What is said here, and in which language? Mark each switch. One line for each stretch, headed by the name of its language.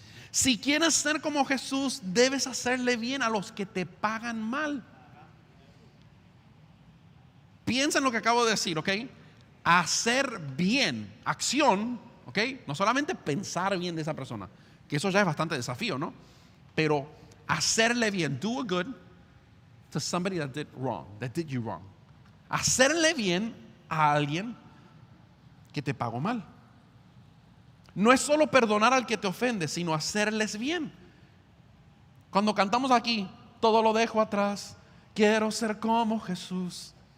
Spanish: Si quieres ser como Jesús, debes hacerle bien a los que te pagan mal. Piensa en lo que acabo de decir, ¿ok? Hacer bien, acción, ¿ok? No solamente pensar bien de esa persona, que eso ya es bastante desafío, ¿no? Pero hacerle bien,
English: do a good to somebody that did wrong, that did you wrong.
Spanish: Hacerle bien a alguien que te pagó mal. No es solo perdonar al que te ofende, sino hacerles bien. Cuando cantamos aquí, todo lo dejo atrás, quiero ser como Jesús.